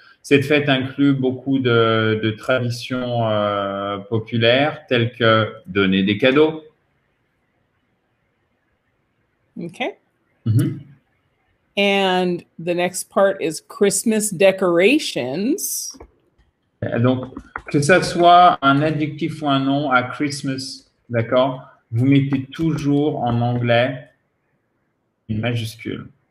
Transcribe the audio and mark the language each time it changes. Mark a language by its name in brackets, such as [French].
[French] Cette fête inclut beaucoup de traditions populaires telles que donner des cadeaux. [English] Okay. And the next part is Christmas decorations. [French] Donc, Que ça soit un adjectif ou un nom à Christmas, d'accord? Vous mettez toujours en anglais une majuscule.